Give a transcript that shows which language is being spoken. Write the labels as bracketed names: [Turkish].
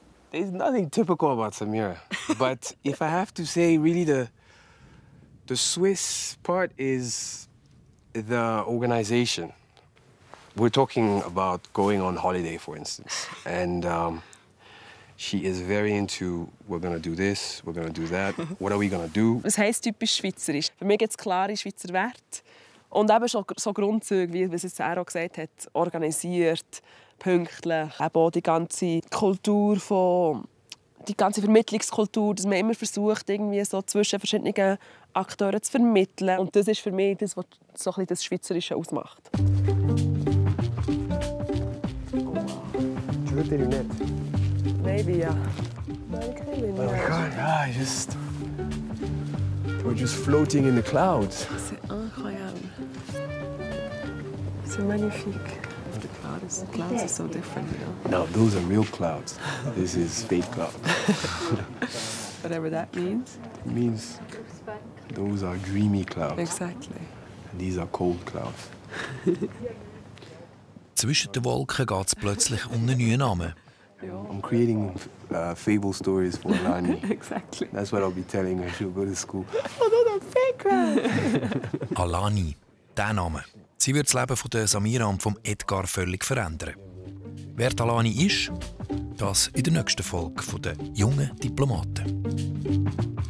[English] There's nothing typical about Samira. But if I have to say, really the Swiss part is the organization. We're talking about going on holiday, for instance, and she is very into, we're going to do this, we're going to do that, what are we going to do? [German] Was heisst typisch Schweizerisch? Für mich gibt es klare Schweizer Werte. Und eben so Grundzüge, wie es Sarah gesagt hat, organisiert, pünktlich, eben auch die ganze Kultur von, die ganze Vermittlungskultur, dass man immer versucht, irgendwie so zwischen verschiedenen Akteure zu vermitteln. Und das ist für mich das, was so das Schweizerische ausmacht. Oh, wow. Die Lunette. Nicht. [English] Maybe, ja. [German] Yeah. Oh mein Gott, ja, just. [English] We're just floating in the clouds. [French] C'est incroyable. C'est magnifique. [English] The clouds, are so different, you know. No, those are real clouds. This is fake clouds. Whatever that means. It means those are dreamy clouds. Exactly. And these are cold clouds. [German] Zwischen den Wolken geht's plötzlich um einen neuen Namen. [English] I'm creating fable stories for Lani. Exactly. That's what I'll be telling her. She'll go to school. Oh, those are fake clouds. [German] Alani, der Name. Sie wird das Leben von der Samira und vom Edgar völlig verändern. Wer Alani ist, das in der nächsten Folge von den jungen Diplomaten.